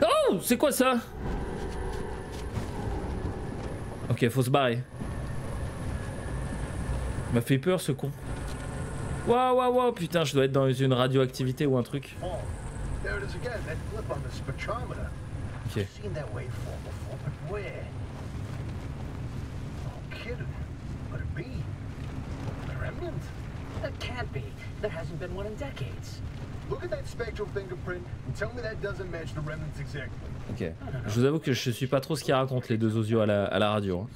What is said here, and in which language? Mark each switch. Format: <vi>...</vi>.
<fr>Oh, c'est quoi ça? Ok, faut se barrer. Il m'a fait peur ce con. Waouh, putain, je dois être dans une radioactivité ou un truc.</fr> <en>There it is again, that blip on the spectrometer. Okay. I've seen that waveform before, but where? No kidding. Could it be? A remnant? That can't be. There hasn't been one in decades. Look at that spectral fingerprint and tell me that doesn't match the remnants exactly.</en> <fr>Ok, je vous avoue que je suis pas trop ce qu'ils racontent les deux osio à la radio.</fr>